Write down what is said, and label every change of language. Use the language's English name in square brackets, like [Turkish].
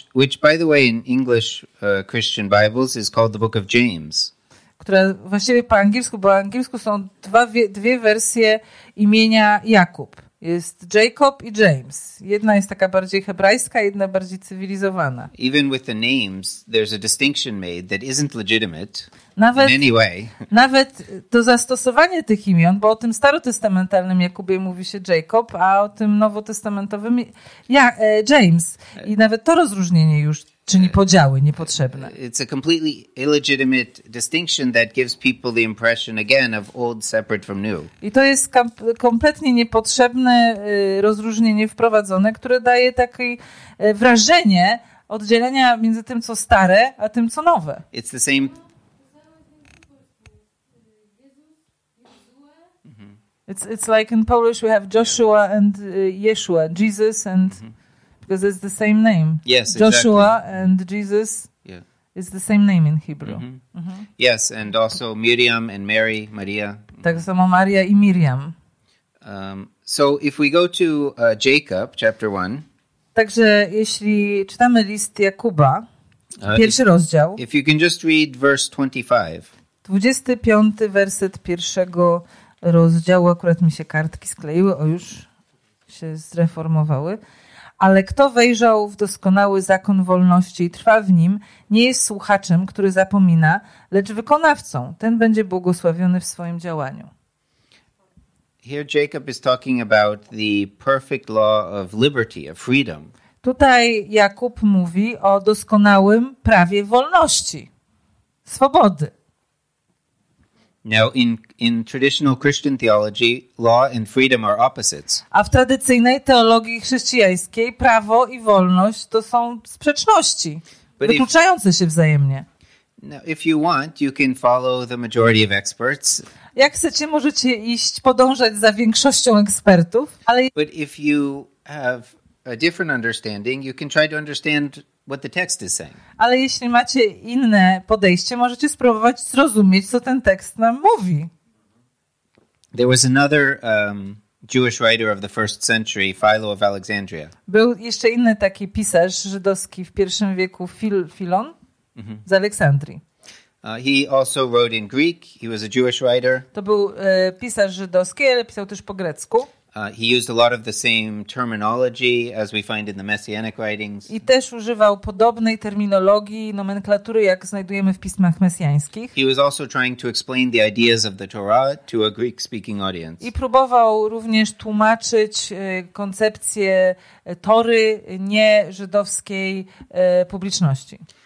[English] Which by the way in English Christian Bibles is called the Book of James. [Polish] Która właściwie po angielsku są dwie wersje imienia Jakub. Jest Jacob i James. Jedna jest taka bardziej hebrajska, jedna bardziej cywilizowana. [English] Even with the names, there's a distinction made that isn't legitimate in any way. [Polish] Nawet to zastosowanie tych imion, bo o tym starotestamentalnym Jakubie mówi się Jacob, a o tym nowotestamentowym James. I nawet to rozróżnienie już czyni podziały niepotrzebne. [English] It's a completely illegitimate distinction that gives people the impression again of old separate from new. [Polish] I to jest kompletnie niepotrzebne rozróżnienie wprowadzone, które daje takie wrażenie oddzielenia między tym, co stare, a tym, co nowe. [English] It's the same. It's like in Polish we have Joshua and Yeshua, Jesus and because it's the same name. Yes, Joshua exactly. And Jesus. Yeah. It's the same name in Hebrew. Mm-hmm. Mm-hmm. Yes, and also Miriam and Mary, Maria. [Polish] Tak samo Maria i Miriam. [English] So if we go to Jacob chapter 1. [Polish] Także jeśli czytamy list Jakuba, pierwszy rozdział. [English] If you can just read verse 25. [Polish] 25 werset pierwszego rozdziału, akurat mi się kartki skleiły, o już się zreformowały. Ale kto wejrzał w doskonały zakon wolności i trwa w nim, nie jest słuchaczem, który zapomina, lecz wykonawcą. Ten będzie błogosławiony w swoim działaniu. [English] Here Jacob is talking about the perfect law of liberty, of freedom. [Polish] Tutaj Jakub mówi o doskonałym prawie wolności, swobody. [English] Now in traditional Christian theology, law and freedom are opposites. [Polish] A w tradycyjnej teologii chrześcijańskiej prawo i wolność to są sprzeczności, wykluczające się wzajemnie. [English] Now, if you want, you can follow the majority of experts. [Polish] Jak chcecie, możecie iść podążać za większością ekspertów, ale [English] but if you have a different understanding, you can try to understand what the text is saying. [Polish] Ale jeśli macie inne podejście, możecie spróbować zrozumieć, co ten tekst nam mówi. [English] There was another Jewish writer of the first century, Philo of Alexandria. [Polish] Był jeszcze inny taki pisarz żydowski w pierwszym wieku, Filon z Aleksandrii. [English] He also wrote in Greek. He was a Jewish writer. [Polish] To był pisarz żydowski, ale pisał też po grecku. [English] He used a lot of the same terminology as we find in the messianic writings. [Polish] I też używał podobnej terminologii, nomenklatury, jak znajdujemy w pismach mesjańskich. [English] He was also trying to explain the ideas of the Torah to a Greek-speaking audience. [Polish] I próbował również tłumaczyć koncepcje Tory nie żydowskiej publiczności.